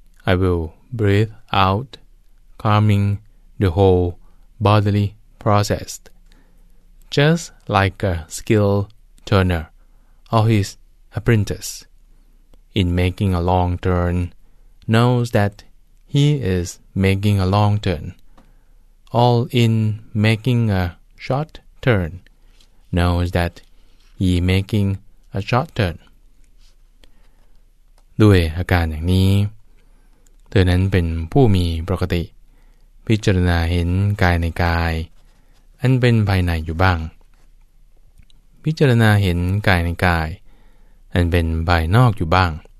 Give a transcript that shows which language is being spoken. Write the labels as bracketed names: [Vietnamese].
[English] I will breathe out calming the whole bodily processed just like a skill turner or his apprentice in making a long turn knows that he is making a long turn all in making a short turn, knows that he making a short turn. [Thai] ด้วยอาการอย่างนี้เธอนั้นเป็นผู้มีปกติพิจารณาเห็นกายในกายอันเป็นภายในอยู่บ้างพิจารณาเห็นกายในกายอันเป็นภายนอกอยู่บ้าง